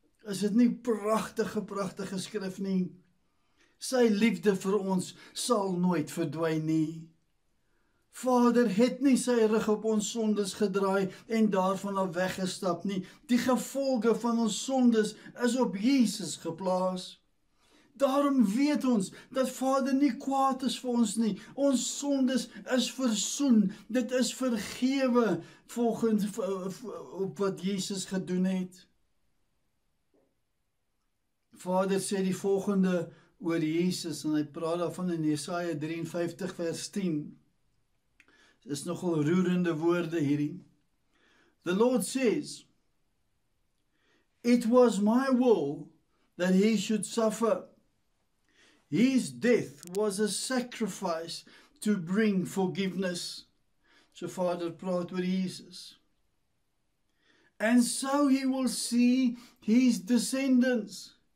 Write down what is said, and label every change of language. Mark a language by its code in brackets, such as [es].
[af] Is het nie prachtige, prachtige skrif nie? Sy liefde vir ons sal nooit verdwyn nie. Vader het nie sy rug op ons sondes gedraai en daarvan af weggestap nie. Die gevolge van ons sondes is op Jesus geplaas. Daarom weet ons dat Vader nie kwaad is vir ons nie. Ons sondes is versoen. Dit is vergewe volgens op wat Jesus gedoen het. Vader sê die volgende oor Jesus en hy praat daarvan in Jesaja 53 vers 10. Dit is nogal roerende woorde hierdie. [en] The Lord says, it was my will that he should suffer. His death was a sacrifice to bring forgiveness. [af] So Vader praat oor Jesus. [en] And so he will see his descendants.